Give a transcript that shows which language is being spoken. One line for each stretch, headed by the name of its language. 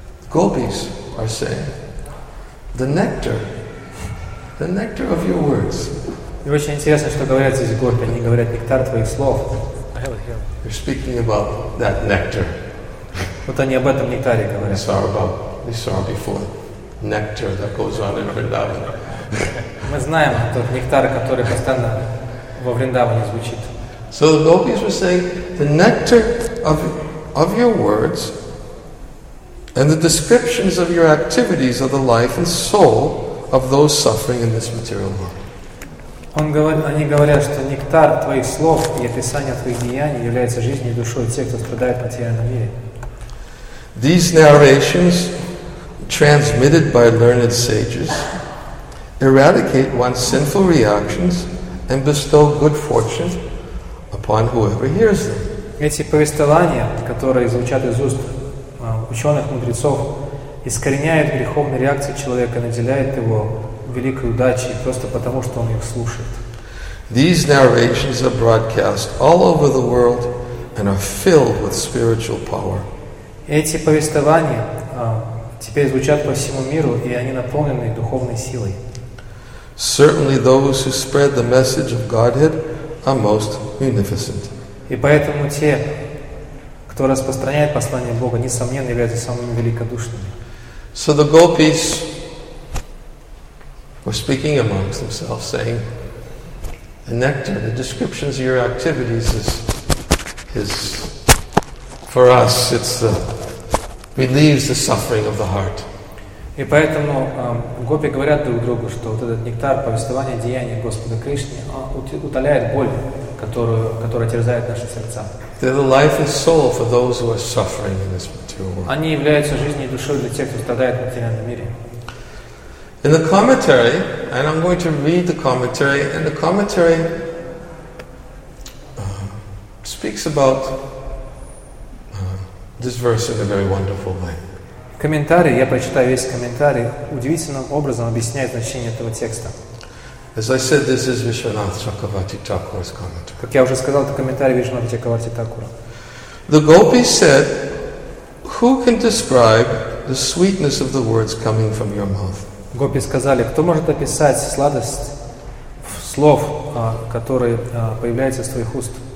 English: Gopis are saying, the nectar of your words.
Russian: И очень интересно, что говорят здесь гопи. Они говорят, нектар твоих слов.
English: They're speaking about that nectar.
Russian: Вот они об этом нектаре говорят.
English: We saw before nectar that goes on in Vrindavan.
Russian: Мы знаем тот нектар, который постоянно во Вриндаване звучит.
English: So the gopis were saying, the nectar of your words and the descriptions of your activities of the life and soul of those suffering in this material world.
Russian: Они говорят, что нектар твоих слов и описание твоих деяний является жизнью и душой тех, кто страдает в материальном мире.
English: These narrations, transmitted by learned sages, eradicate one's sinful reactions and bestow good fortune upon whoever hears them.
Russian: Эти повествования, которые звучат из уст ученых мудрецов, искореняют греховные реакции человека, наделяют его великой удачей просто потому, что он их слушает.
English: These narrations are broadcast all over the world and are filled with spiritual power.
Russian: Эти повествования теперь звучат по всему миру, и они наполнены духовной силой.
English: Certainly those who spread the message of Godhead are most munificent.
Russian: И поэтому те, кто распространяет послание Бога, несомненно являются самыми великодушными.
English: So the gopis were speaking amongst themselves, saying, "The nectar, the descriptions of your activities is for us. It's the relieves the suffering of the heart."
Russian: И поэтому гопи говорят друг другу, что вот этот нектар, повествование деяний Господа Кришны, утоляет боль, которая терзает наши сердца.
English: They're the life and soul for those who are suffering in this material world.
Russian: Они являются жизнью и душой для тех, кто страдает в материальном мире.
English: In the commentary, and I'm going to read the commentary, and the commentary speaks about this verse in a very wonderful way.
Russian: Комментарий, я прочитаю весь комментарий, удивительным образом объясняет значение этого текста.
English: As I said, this is Vishwanath Chakravarti Thakur's commentary.
Russian: Как я уже сказал, это комментарий Вишванатха Чакраварти Такура.
English: The gopis said, "Who can describe the sweetness of the words coming from your mouth?"
Russian: Гопи сказали, кто может описать сладость слов, которые появляются из твоих уст?